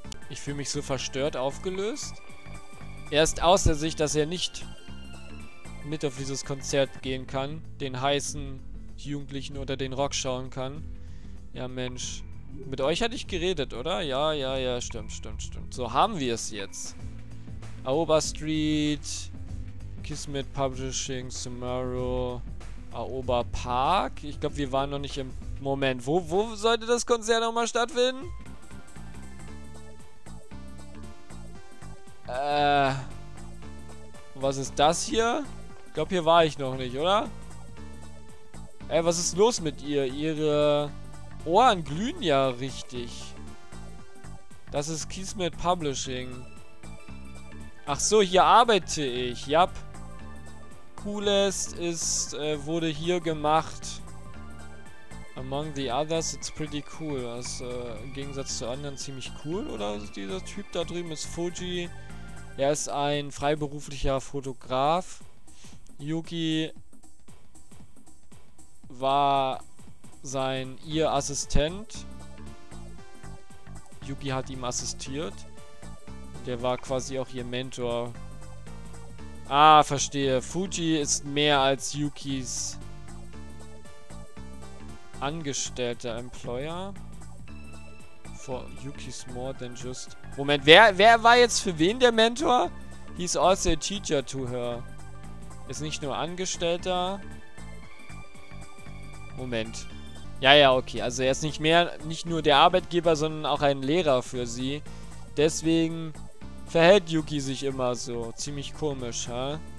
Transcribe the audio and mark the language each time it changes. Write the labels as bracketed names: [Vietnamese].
[German] Ich fühle mich so verstört, aufgelöst. Er ist außer sich, dass er nicht mit auf dieses Konzert gehen kann. Den heißen Jugendlichen oder den Rock schauen kann. Ja, Mensch. Mit euch hatte ich geredet, oder? Ja, ja, ja, stimmt, stimmt, stimmt. So haben wir es jetzt. Aoba Street, Kismet Publishing, Sumaru, Aoba Park. Ich glaube, wir waren noch nicht im Moment. Wo sollte das Konzert nochmal stattfinden? Was ist das hier? Ich glaube, hier war ich noch nicht, oder? Was ist los mit ihr? Ihre Ohren glühen ja richtig. Das ist Kismet Publishing. Ach so, hier arbeite ich. Yep. Coolest ist, wurde hier gemacht. [English] Among the others, it's pretty cool. [German] Das, im Gegensatz zu anderen ziemlich cool, oder? Also dieser Typ da drüben ist Fuji. Er ist ein freiberuflicher Fotograf. Yuki war sein ihr Assistent. Yuki hat ihm assistiert. Der war quasi auch ihr Mentor. Ah, verstehe. Fuji ist mehr als Yukis angestellter Employer. [English] For Yuki's more than just... [German] Moment, wer war jetzt für wen der Mentor? [English] He's also a teacher to her. [German] Ist nicht nur Angestellter. Moment. Ja, ja, okay. Also er ist nicht nur der Arbeitgeber, sondern auch ein Lehrer für sie. Deswegen verhält Yuki sich immer so. Ziemlich komisch, ha?